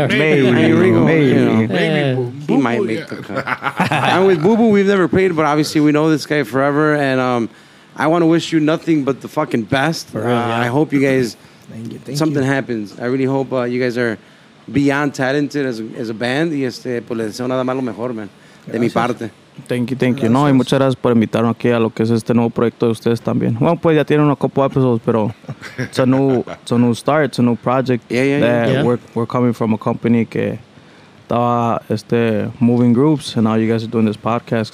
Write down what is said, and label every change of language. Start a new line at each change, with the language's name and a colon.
English: Maybe Rigo. He might make the cut. I'm with Bubu. We've never played, but obviously we know this guy forever, and I want to wish you nothing but the fucking best. I hope you guys, thank you. Happens. I really hope you guys are beyond talented as a band.
Spanish: Y pues le deseo nada más lo mejor, man. De mi parte.
English: Thank you.
Spanish: No, y muchas gracias por invitarme aquí a lo que es este nuevo proyecto de ustedes también. Bueno, pues ya tienen una
English: couple episodes, pero it's a new start, it's a new project. We're coming from a company
Spanish: que estaba
English: moving groups, and now you guys are doing this podcast.